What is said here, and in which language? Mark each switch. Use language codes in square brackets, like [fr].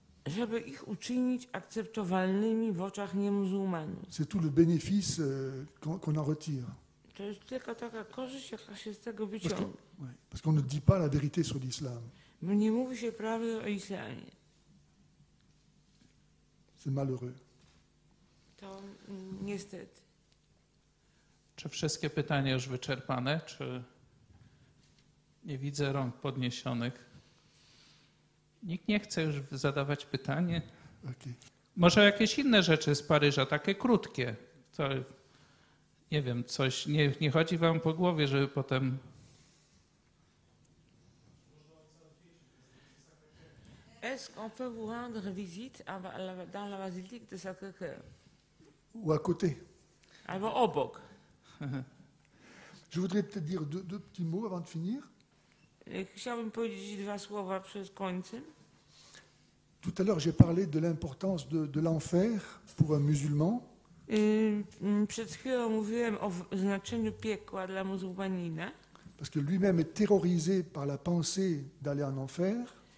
[pl] Żeby ich uczynić akceptowalnymi w oczach niemuzułmanów. [fr] C'est tout le bénéfice qu'on en retire. [pl] To jest tylko taka korzyść, jaka się z tego wyciąga. [fr] Parce qu'on ne dit pas la vérité sur l'islam. [pl] Nie mówi się prawdy o islamie. [fr] C'est malheureux. [pl] To niestety. Czy wszystkie pytania już wyczerpane? Czy nie widzę rąk podniesionych? Nikt nie chce już zadawać pytanie. Okay. Może jakieś inne rzeczy z Paryża, takie krótkie. To nie wiem, coś nie chodzi wam po głowie, żeby potem... [fr] Est-ce qu'on peut vous rendre visite dans la basilique de Sacré-Cœur? Ou à côté? Alors, au bok. Je voudrais peut-être dire deux petits mots avant de finir. [pl] Chciałbym powiedzieć dwa słowa przed końcem. [fr] Tout à l'heure, j'ai parlé de l'importance de l'enfer pour un musulman. [pl] Przed chwilą mówiłem o znaczeniu piekła dla muzułmanina. [fr] Parce que lui-même est terrorisé par la pensée d'aller en enfer.